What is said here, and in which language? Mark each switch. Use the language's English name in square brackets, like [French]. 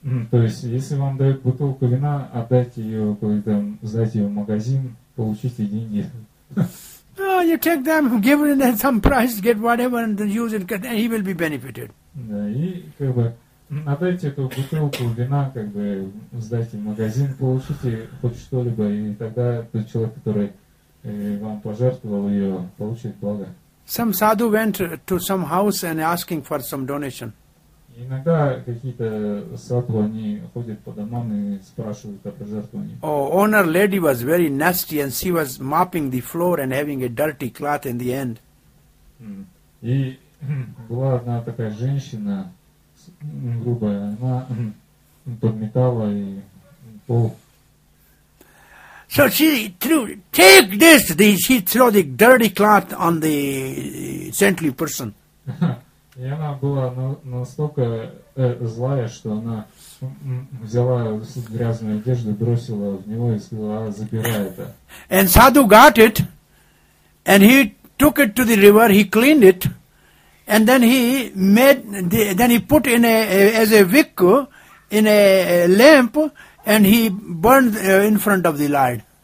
[Russian] То есть, если вам дают бутылку вина, отдайте ее какой-то, сдайте ее в магазин, получите деньги. [English] Oh, you take them, give them some price, get whatever and then use it, then he will be benefited. [Russian] Да, и как бы отдайте эту бутылку вина, как бы сдайте в магазин, получите хоть что-либо, и тогда тот человек, который вам пожертвовал ее, получит благо. [English] Some sadhu went to some house and asking for some donation. [Russian] Иногда какие-то садху, они ходят по домам и спрашивают о пожертвовании. [English] Oh, owner lady was very nasty and she was mopping the floor and having a dirty cloth in the end. [Russian] И была одна такая женщина, грубая, она подметала и пол. [English] So she threw, take this, she threw the dirty cloth on the saintly person. [Russian] И она была настолько злая, что она взяла грязную одежду, бросила в него и сказала, забирай это. [English] And sadhu got it, and he took it to the river, he cleaned it, and then he made, then he put in as a wick, in a lamp, and he burned in front of the Lord.